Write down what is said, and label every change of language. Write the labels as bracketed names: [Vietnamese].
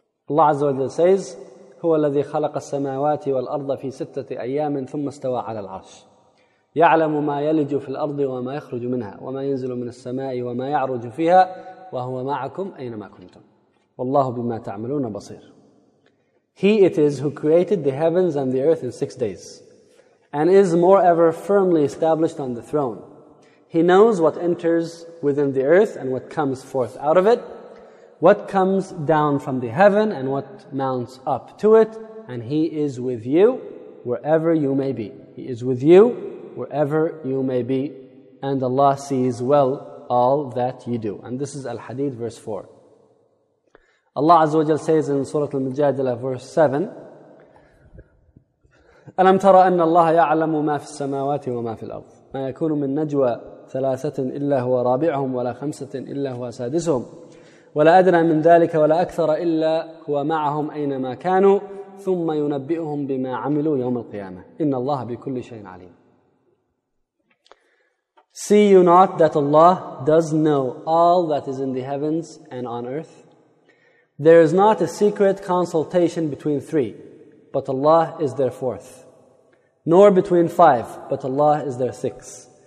[English] Allah Azza wa Jal says, [Arabic] هُوَ الَّذِي خَلَقَ السَّمَاوَاتِ وَالْأَرْضَ فِي سِتَّةِ أَيَّامٍ ثُمَّ اسْتَوَى عَلَى الْعَرْشِ يَعْلَمُ مَا يَلِجُ فِي الْأَرْضِ وَمَا يَخْرُجُ مِنْهَا وَمَا يَنْزِلُ مِنَ السَّمَاءِ وَمَا يَعْرُجُ فِيهَا وَهُوَ مَعَكُمْ أَيْنَمَا كُنْتُمْ وَاللَّهُ بِمَا تَعْمَلُونَ بَصِيرٌ. [English] He it is who created the heavens and the earth in 6 days, and is moreover firmly established on the throne. He knows what enters within the earth and what comes forth out of it, what comes down from the heaven and what mounts up to it, and He is with you wherever you may be. He is with you wherever you may be, and Allah sees well all that you do. And this is Al-Hadith, verse 4. Allah Azza wa Jal says in Surah Al-Mujadilah, verse 7, [Arabic] أَلَمْ تَرَ أَنَّ اللَّهَ يَعْلَمُ مَا فِي السَّمَاوَاتِ وَمَا فِي الْأَرْضِ مَا يَكُونُ مِنْ نَجْوَى ثَلَاثَةٍ إِلَّا هُوَ رَابِعُهُمْ وَلَا خَمْسَةٍ إِلَّا هُوَ سَادِسُهُمْ وَلَا أَدْنَى مِنْ ذَلِكَ وَلَا أَكْثَرَ إِلَّا هُوَ مَعَهُمْ أَيْنَمَا كَانُوا ثُمَّ يُنَبِّئُهُمْ بِمَا عَمِلُوا يَوْمَ الْقِيَامَةِ إِنَّ اللَّهَ بِكُلِّ شَيْءٍ عَلِيمٌ. [English] See you not that Allah does know all that is in the heavens and on earth? There is not a secret consultation between three, but Allah is their fourth. Nor between five, but Allah is their sixth.